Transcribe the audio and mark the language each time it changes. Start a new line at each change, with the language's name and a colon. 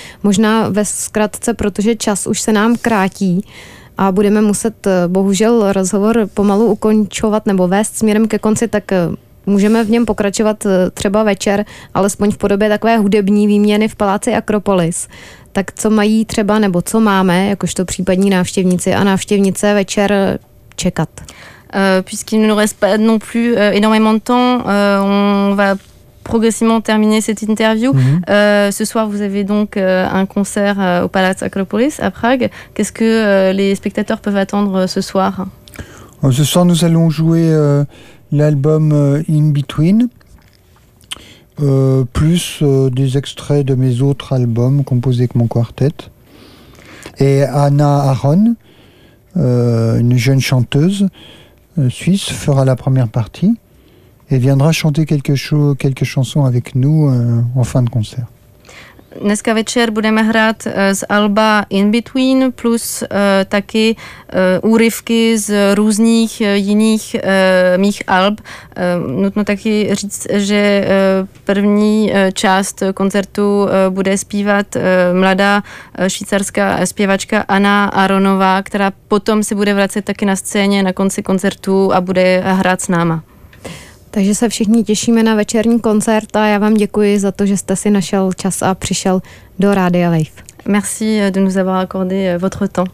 Czech: Možná ve zkratce, protože čas už se nám krátí, a budeme muset bohužel rozhovor pomalu ukončovat nebo vést směrem ke konci, tak můžeme v něm pokračovat třeba večer, alespoň v podobě takové hudební výměny v Paláci Akropolis. Tak co mají třeba, nebo co máme, jakožto případní návštěvníci a návštěvnice večer čekat?
French: Puisqu'il ne nous reste pas non plus énormément de temps, on va progressivement terminer cette interview. Mm-hmm. Ce soir, vous avez donc un concert au Palace Acropolis à Prague. Qu'est-ce que les spectateurs peuvent attendre ce soir? Ce soir, nous allons jouer l'album In Between, plus des extraits de mes autres albums composés avec mon quartet. Et Anna Aron, une jeune chanteuse suisse, fera la première partie. Et viendra chanter quelques chansons avec nous en fin de concert.
Czech: Dneska večer budeme hrát z alba In Between plus taky úryvky z různých jiných mých alb. Nutno taky říct, že první část koncertu bude zpívat mladá švýcarská zpěvačka Anna Aronová, která potom se bude vracet taky na scéně na konci koncertu a bude hrát s náma. Takže se všichni těšíme na večerní koncert a já vám děkuji za to, že jste si našel čas a přišel do Rádia Wave.
French: Merci de nous avoir accordé votre temps.